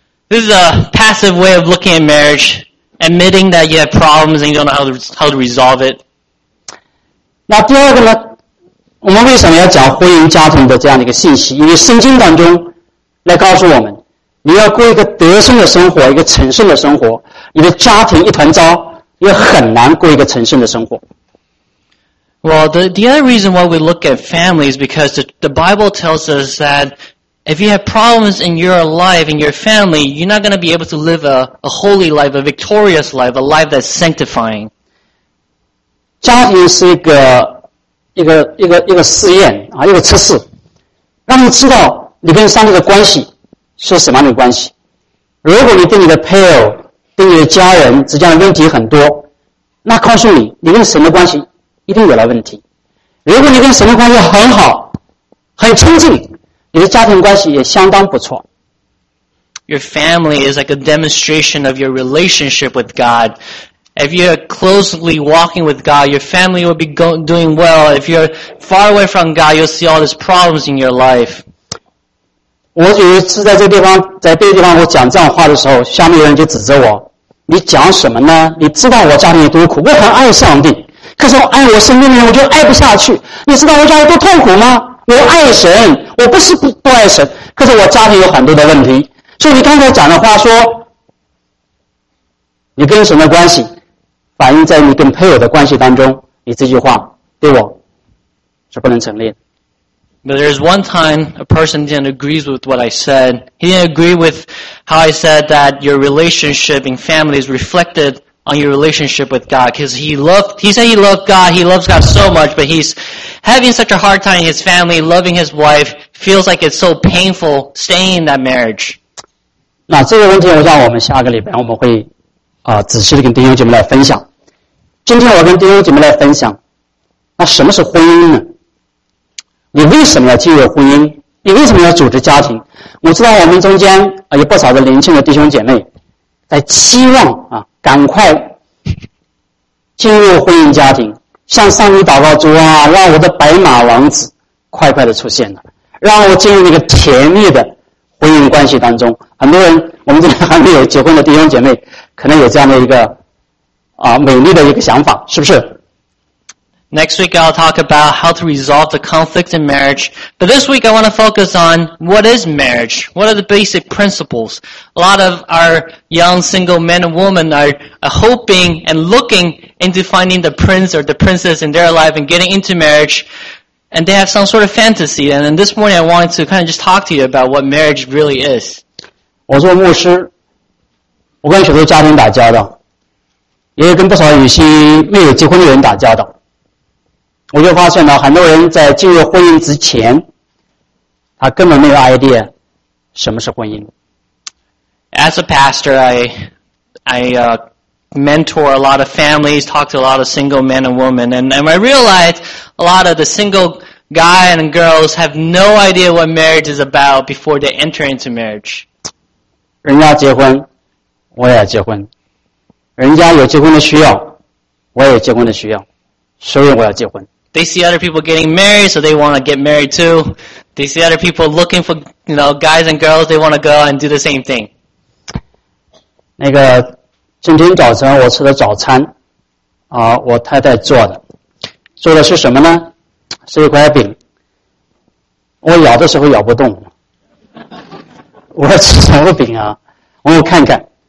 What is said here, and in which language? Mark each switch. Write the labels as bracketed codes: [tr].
[en] This is a passive way of looking at marriage, admitting that you have problems and you don't know how to resolve it. [zh] 那第二个呢，我们为什么要讲婚姻家庭的这样的一个信息？因为圣经当中来告诉我们，你要过一个得胜的生活，一个成圣的生活，你的家庭一团糟，也很难过一个成圣的生活。 [en] Well, the other reason why we look at family is because the Bible tells us that if you have problems in your life, in your family, you're not going to be able to live a holy life, a victorious life, a life that's sanctifying. [zh] 家庭是一个试验啊，一个测试，让你知道你跟上帝的关系是什么样的关系。如果你对你的配偶、对你的家人之间的问题很多，那告诉你，你跟神的关系一定有了问题。如果你跟神的关系很好、很亲近，你的家庭关系也相当不错。 [en] Your family is like a demonstration of your relationship with God. If you're closely walking with God, your family will be doing well. If you're far away from God, you'll see all these problems in your life. [zh] 我有一次在这个地方，在这个地方我讲这样话的时候，下面有人就指责我，你讲什么呢？你知道我家里有多苦，我很爱上帝，可是我爱我身边的人，我就爱不下去。你知道我家里多痛苦吗？我爱神，我不是不爱神，可是我家庭有很多的问题。所以你刚才讲的话说，你跟神的关系反映在你跟配偶的关系当中，你这句话对我是不能成立的。 [en] But there's one time a person didn't agree with what I said. He didn't agree with how I said that your relationship in family is reflected on your relationship with God. Because he loves God so much, but he's having such a hard time in his family, loving his wife, feels like it's so painful staying in that marriage. [zh] 那这个问题我想我们下个礼拜我们会仔细地跟弟兄姐妹来分享。今天我跟弟兄姐妹来分享，那什么是婚姻呢？你为什么要进入婚姻？你为什么要组织家庭？我知道我们中间有不少的年轻的弟兄姐妹在期望赶快进入婚姻家庭，向上帝祷告主啊，让我的白马王子快快的出现了，让我进入那个甜蜜的婚姻关系当中。很多人，我们这边还没有结婚的弟兄姐妹可能有这样的一个美丽的一个想法，是不是？ [en] Next week I'll talk about how to resolve the conflict in marriage. But this week I want to focus on what is marriage? What are the basic principles? A lot of our young single men and women are hoping and looking into finding the prince or the princess in their life and getting into marriage. And they have some sort of fantasy. And then this morning I wanted to kind of just talk to you about what marriage really is. [zh] 我做牧师，我跟许多家庭打交道，也跟不少有些没有结婚的人打交道。我就发现了很多人在进入婚姻之前，他根本没有 idea 什么是婚姻。 [en] As a pastor, I mentor a lot of families, talk to a lot of single men and women, and I realized a lot of the single guy and girls have no idea what marriage is about before they enter into marriage. [zh] 人家结婚，我也结婚；人家有结婚的需要，我也有结婚的需要，所以我要结婚。 [en] They see other people getting married, so they want to get married too. They see other people looking for, you know, guys and girls, they want to go and do the same thing. [zh] 那个今天早晨我吃的早餐我太太做的。做的是什么呢？是一块饼。我咬的时候咬不动。我要吃什么饼啊？我给我看看。